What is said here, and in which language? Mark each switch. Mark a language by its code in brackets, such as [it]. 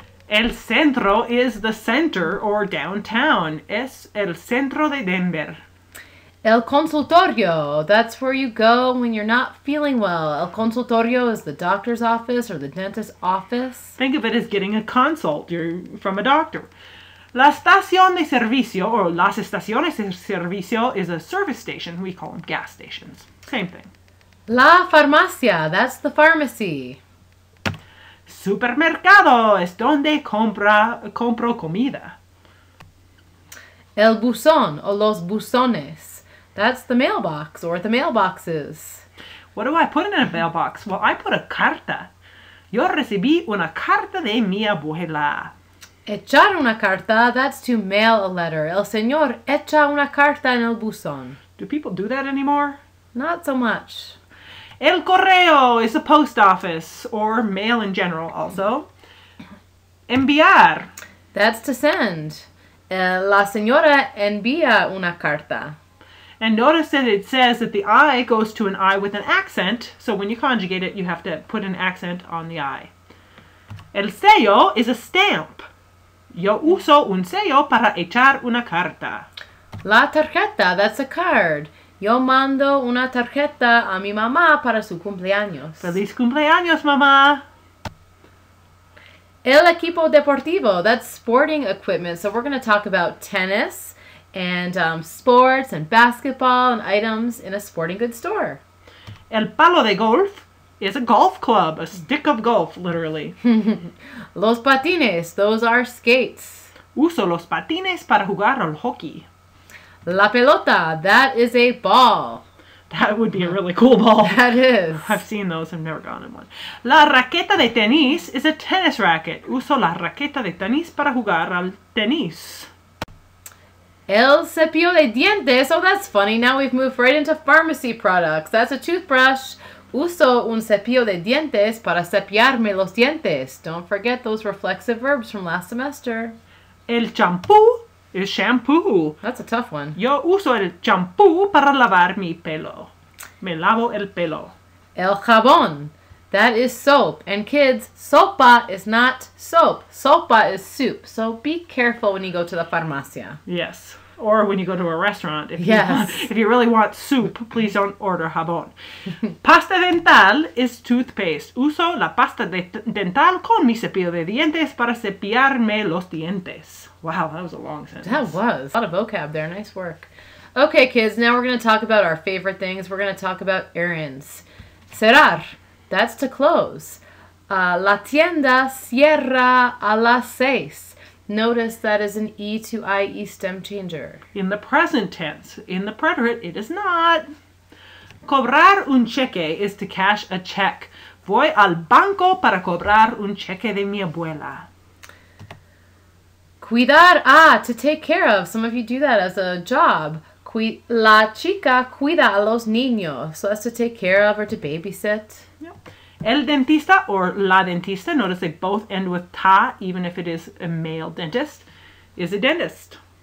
[en] El centro is the center or downtown. [es] Es el centro de Denver. [en] El consultorio, that's where you go when you're not feeling well. El consultorio is the doctor's office or the dentist's office. Think of it as getting a consult from a doctor. La estación de servicio, or las estaciones de servicio, is a service station. We call them gas stations. Same thing. La farmacia, that's the pharmacy. [es] Supermercado es donde compro comida. El buzón, o los buzones. [en] That's the mailbox, or the mailboxes. What do I put in a mailbox? Well, I put a carta. [es] Yo recibí una carta de mi abuela. Echar una carta, [en] that's to mail a letter. [es] El señor echa una carta en el buzón. [en] Do people do that anymore? Not so much. El correo is a post office, or mail in general also. Enviar. That's to send. [es] La señora envía una carta. And notice that it says that the I goes to an I with an accent, so when you conjugate it, you have to put an accent on the I. El sello [en] is a stamp. [es] Yo uso un sello para echar una carta. [en] La tarjeta, that's a card. [es] Yo mando una tarjeta a mi mamá para su cumpleaños. Feliz cumpleaños, mamá! [en] El equipo deportivo, that's sporting equipment, so we're going to talk about tennis, and sports, and basketball, and items in a sporting goods store. El palo de golf is a golf club, a stick of golf, literally. Los patines, those are skates. [es] Uso los patines para jugar al hockey. [en] La pelota, that is a ball. That would be a really cool ball. That is. I've seen those, I've never gotten one. La raqueta de tenis is a tennis racket. [es] Uso la raqueta de tenis para jugar al tenis. [en] El cepillo de dientes. Oh, that's funny. Now we've moved right into pharmacy products. That's a toothbrush. [es] Uso un cepillo de dientes para cepillarme los dientes. [en] Don't forget those reflexive verbs from last semester. El champú is shampoo. That's a tough one. [es] Yo uso el champú para lavar mi pelo. Me lavo el pelo. [en] El jabón. That is soap. And kids, sopa is not soap. Sopa is soup. So be careful when you go to the farmacia. Yes. Or when you go to a restaurant. If you really want soup, please don't order jabón. Pasta dental is toothpaste. [es] Uso la pasta dental con mi cepillo de dientes para cepillarme los dientes. [en] Wow, that was a long sentence. That was. A lot of vocab there. Nice work. Okay, kids. Now we're going to talk about our favorite things. We're going to talk about errands. Cerrar. That's to close. [es] La tienda cierra a las seis. [en] Notice that is an E to IE stem changer. In the present tense. In the preterite, it is not. Cobrar un cheque is to cash a check. [es] Voy al banco para cobrar un cheque de mi abuela. [en] Cuidar, to take care of. Some of you do that as a job. [es] La chica cuida a los niños. [en] So that's to take care of or to babysit. El dentista or la dentista, notice they both end with ta, even if it is a male dentist, is a dentist.